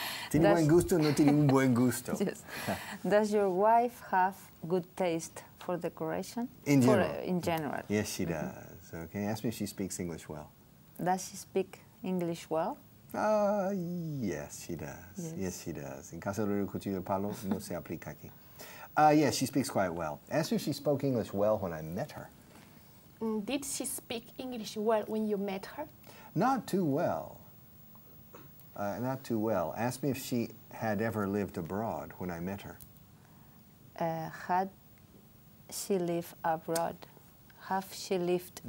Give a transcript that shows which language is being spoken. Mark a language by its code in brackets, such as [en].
[es] Tiene buen gusto, no tiene un buen gusto. [en] Yes. Does your wife have good taste for decoration? In general. In general. Yes, she does. Okay. Ask me if she speaks English well. Does she speak English well? Yes, she does. Yes, she does. [es] En casa del cuchillo de palo, no se aplica aquí. [en] Yes, she speaks quite well. Ask her if she spoke English well when I met her. Did she speak English well when you met her? Not too well. Not too well. Ask me if she had ever lived abroad when I met her. Had she lived abroad? Have she lived